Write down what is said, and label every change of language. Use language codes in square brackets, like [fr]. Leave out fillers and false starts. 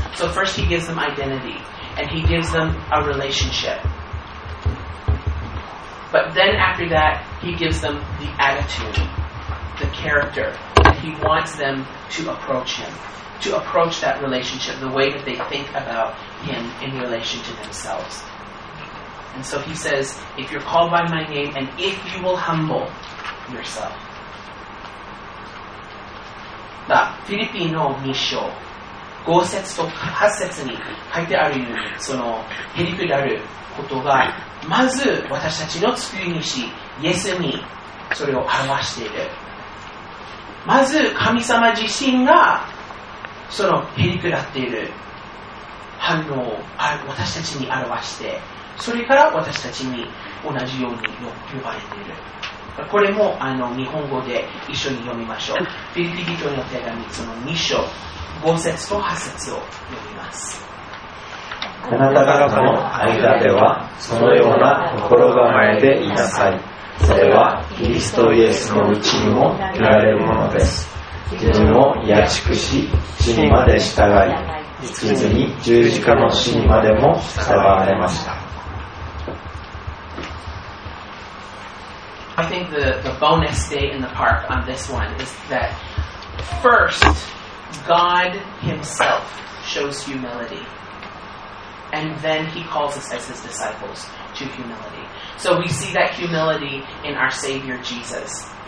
[en] So first he gives them identity and he gives them a relationship, but then after that he gives them the attitude, the character that he wants them to approach him, to approach that relationship the way that they think about him in relation to themselves. And so he says, if you're called by my name and if you will humble yourself. [ja] フィリピンの2章5節と8節に書いてあるように、そのへりくだることがまず私たちの救い主イエスにそれを表している。まず神様自身がそのへりくだっている反応を私たちに表して、それから私たちに同じように呼ばれている。これも日本語で一緒に読みましょう。フィリピ人の手紙その2章5節と8節を読みます。あなた方の間ではそのような心構えでいなさい。それはキリストイエスのうちにも見られるものです。自分を卑しくし死にまで従い、実に十字架の死にまでも従われました。 [en] I think the bonus day in the park on this one is that first, God himself shows humility. And then he calls us as his disciples to humility. So we see that humility in our Savior Jesus.